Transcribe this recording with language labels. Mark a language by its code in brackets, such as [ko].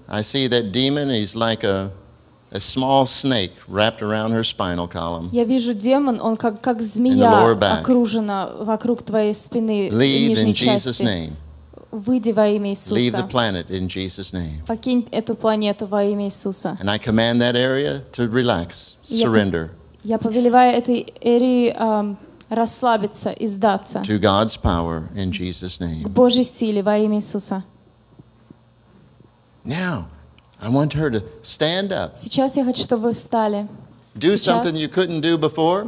[en] I see that demon is like a small snake wrapped around her spinal column. [ru] Я вижу демон, он как змея окружена вокруг твоей спины и нижней части. [en] Leave the planet in Jesus' name. [ru] Покинь эту планету во имя Иисуса. [en] And I command that area to relax, surrender. [ru] Я повелеваю этой эре расслабиться и сдаться. [en] To God's power in Jesus' name. [ru] К Божьей силе во имя Иисуса. [en] Now, I want her to stand up. [ru] Сейчас я хочу, чтобы вы встали. [en] Do something you couldn't do before.